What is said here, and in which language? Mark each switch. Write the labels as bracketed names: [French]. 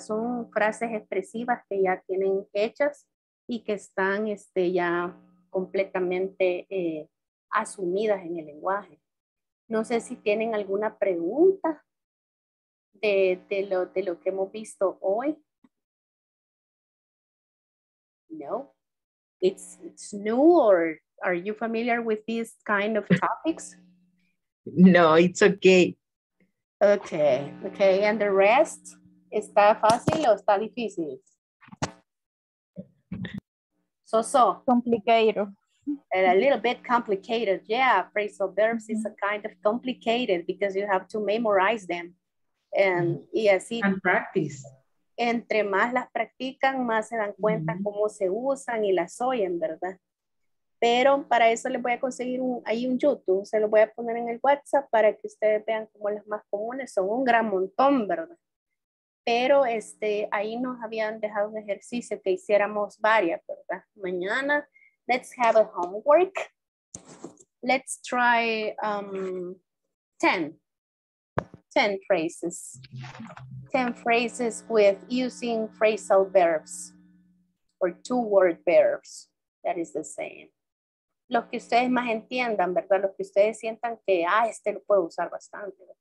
[Spanish] Son frases expresivas que ya tienen hechas y que están ya completamente asumidas en el lenguaje. No sé si tienen alguna pregunta de lo que hemos visto hoy. No. [English] It's new, or are you familiar with these kind of topics? No, it's okay. Okay, okay. And the rest, [Spanish] ¿está fácil o está difícil? [English] So. Complicated. And a little bit complicated. Yeah, phrasal verbs is a kind of complicated because you have to memorize them. And practice. [Spanish] Entre más las practican, más se dan cuenta cómo se usan y las oyen, ¿verdad? Pero para eso les voy a conseguir un YouTube, se lo voy a poner en el WhatsApp para que ustedes vean cómo las más comunes son un gran montón, ¿verdad? Pero ahí nos habían dejado un ejercicio que hiciéramos varias, ¿verdad? Mañana, [English] let's have a homework. Let's try 10 phrases. 10 phrases with using phrasal verbs or two-word verbs. That is the same. [Spanish] Los que ustedes más entiendan, ¿verdad? Los que ustedes sientan que, lo puedo usar bastante.